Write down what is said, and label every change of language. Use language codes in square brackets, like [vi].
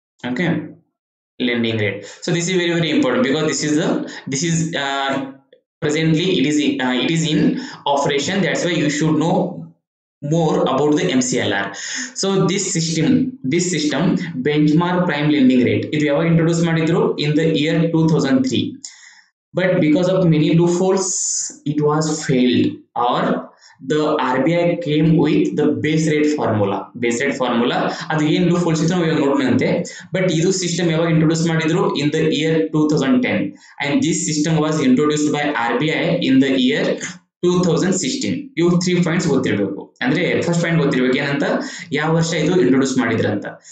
[en] Okay, lending rate. So this is very very important, because this is presently it is in operation. That's why you should know more about the MCLR. So this system benchmark prime lending rate, [kn] ಇದು ಯಾವಾಗ introduce ಮಾಡಿದ್ರು? [en] In the year 2003. But because of many loopholes, it was failed, or the RBI came with the base rate formula. [kn] ಅದು ಏನು ಲೂಫೋಲ್ಸ್ ಇತ್ತು ನಾವು ನೋಡೋಣಂತೆ. But ಇದು system ಯಾವಾಗ introduce ಮಾಡಿದ್ರು? [en] In the year 2010. And this system was introduced by RBI in the year 2016. [kn] ಇವು three points ಗೊತ್ತಿರಬೇಕು. ಅಂದ್ರೆ ಫಸ್ಟ್ ಪಾಯಿಂಟ್ ಗೊತ್ತಿರ್ಬೇಕು ಏನಂತ, ಯಾವ ವರ್ಷ ಇದು ಇಂಟ್ರೊಡ್ಯೂಸ್ ಮಾಡಿದ್ರಂತ.